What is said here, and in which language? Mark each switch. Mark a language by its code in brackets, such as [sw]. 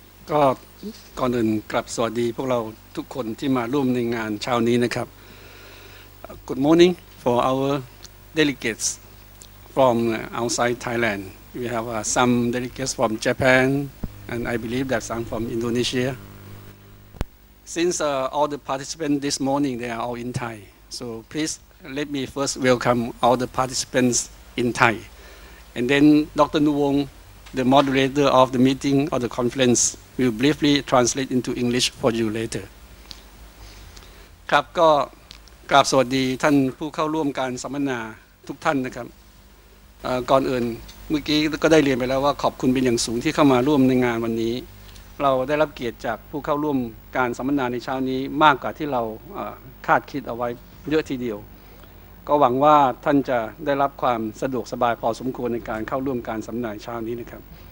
[th] ก็ก่อนอื่นกลับสวัสดีพวกเราทุกคนที่มาร่วมในงานเช้านี้นะครับ [en] Good morning for our delegates from outside Thailand. We have some delegates from Japan and I believe that some from Indonesia. Since all the participants this morning they are all in Thai, so please let me first welcome all the participants in Thai, and then Dr. Nuwong, the moderator of the meeting or the conference, will briefly translate into English for you later. [th] ครับก็กราบสวัสดีท่านผู้เข้าร่วมการสัมมนาทุกท่านนะครับก่อนอื่นเมื่อกี้ก็ได้เรียนไปแล้วว่าขอบคุณเป็นอย่างสูงที่เข้ามาร่วมในงานวันนี้เราได้รับเกียรติจากผู้เข้าร่วมการสัมมนาในเช้านี้มากกว่าที่เราคาดคิดเอาไว้เยอะทีเดียวก็หวังว่าท่านจะได้รับความสะดวกสบายพอสมควรในการเข้าร่วมการสัมมนาเช้านี้นะครับ